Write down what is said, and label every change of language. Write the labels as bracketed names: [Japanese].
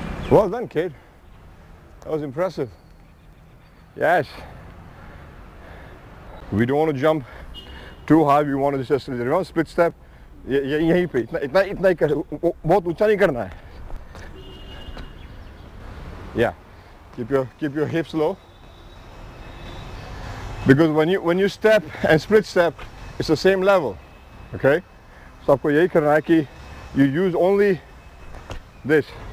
[English] Well done, kid. That was impressive. Yes. We don't want to jump too high. We want to just do a split step. [Hindi] यही पे. इतना ही कर. बहुत ऊंचा नहीं करना है. [English] Yeah. Keep your hips low. Because when you step and split step, it's the same level. Okay? So [Hindi] आपको यही करना है कि [English] you use only this.